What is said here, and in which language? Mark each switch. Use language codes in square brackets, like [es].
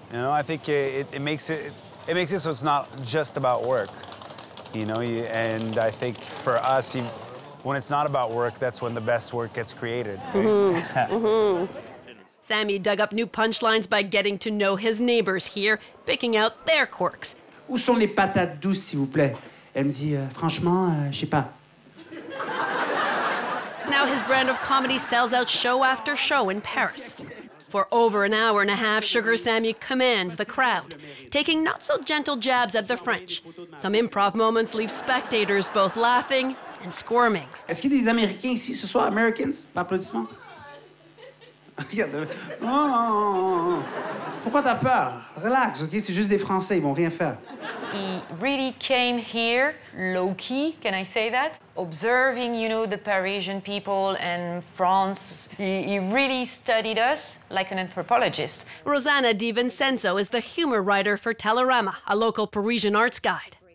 [en] You know, I think it makes it so it's not just about work. You know, and I think for us, when it's not about work, that's when the best work gets created. Right? Mm-hmm. Mm-hmm. Sammy dug up new punchlines by getting to know his neighbors here, picking out their quirks. [fr] Où sont les patates douces, s'il vous plaît? Elle me dit, franchement, je sais pas. [en] Now his brand of comedy sells out show after show in Paris. For over an hour and a half, Sugar Sammy commands the crowd, taking not-so-gentle jabs at the French. Some improv moments leave spectators both laughing and squirming. [fr] Est-ce qu'il y a des Américains ici ce soir? [en] Americans? [fr] Par applaudissement? Pourquoi t'as peur? Relax, OK? C'est juste des Français, ils vont rien faire. [en] He really came here, low-key, can I say that? Observing, you know, the Parisian people and France. He really studied us like an anthropologist. Rosanna DiVincenzo is the humor writer for Telerama, a local Parisian arts guide.